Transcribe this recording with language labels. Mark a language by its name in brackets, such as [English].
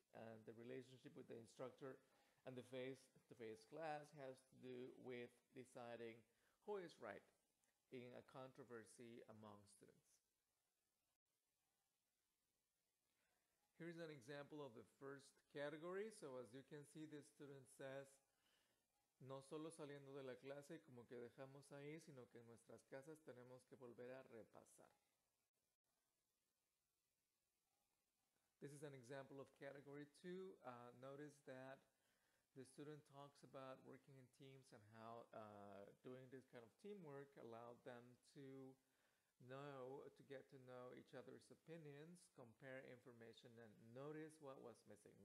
[English] And the relationship with the instructor and the face-to-face class has to do with deciding who is right in a controversy among students. Here's an example of the first category. So as you can see, the student says, [Spanish] no solo saliendo de la clase como que dejamos ahí, sino que en nuestras casas tenemos que volver a repasar. [English] This is an example of category two. Notice that the student talks about working in teams and how doing this kind of teamwork allowed them to get to know each other's opinions, compare information, and notice what was missing.